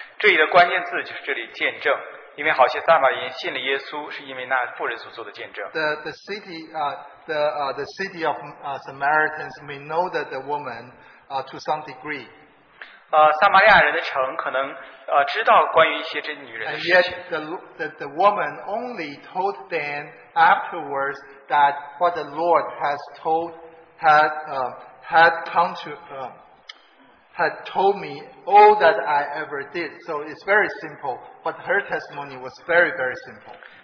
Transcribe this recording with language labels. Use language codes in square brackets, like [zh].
[zh] 这里的关键字就是这里见证，因为好些撒玛利亚人信了耶稣，是因为那妇人所做的见证。 [en] The city of Samaritans may know that the woman to some degree. [zh] 撒玛利亚人的城可能知道关于一些这女人的事情。 [en] And yet the woman only told them afterwards that what the Lord has told had told me all that I ever did. So it's very simple, but her testimony was very, very simple.